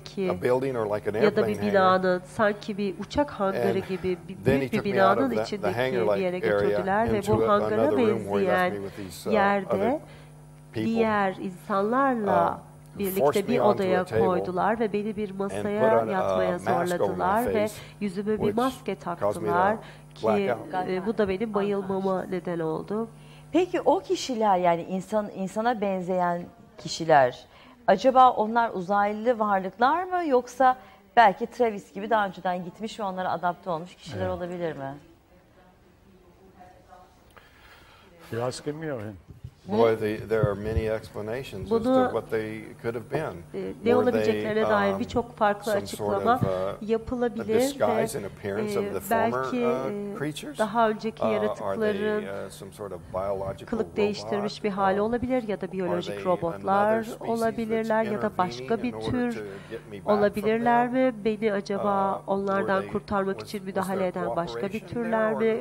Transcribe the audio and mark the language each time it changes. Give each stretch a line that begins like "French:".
English: a building or like an airplane hangar.
Turkish: Sanki bir uçak hangarı gibi büyük bir binanın içindeki yere götürdüler ve bu hangara benzeyen yerde diğer insanlarla birlikte bir odaya koydular ve beni bir masaya yatmaya zorladılar ve yüzüme bir maske taktılar ki bu da benim bayılmama neden oldu. Peki o kişiler yani insana benzeyen kişiler acaba onlar uzaylı varlıklar mı yoksa belki Travis gibi daha önceden gitmiş ve onlara adapte olmuş kişiler evet. Olabilir mi?
English: You're asking me or him? Boy, there are many explanations as to what they could have been.
Turkish: Ne olabileceklerine dair birçok farklı açıklama yapılabilir.
English: A disguise and appearance of the former creatures.
Turkish: Belki daha önceki yaratıkların kılık değiştirmiş bir hali olabilir ya da biyolojik robotlar olabilirler ya da başka bir tür olabilirler mi? Beni acaba onlardan kurtarmak için müdahale eden başka bir türler mi?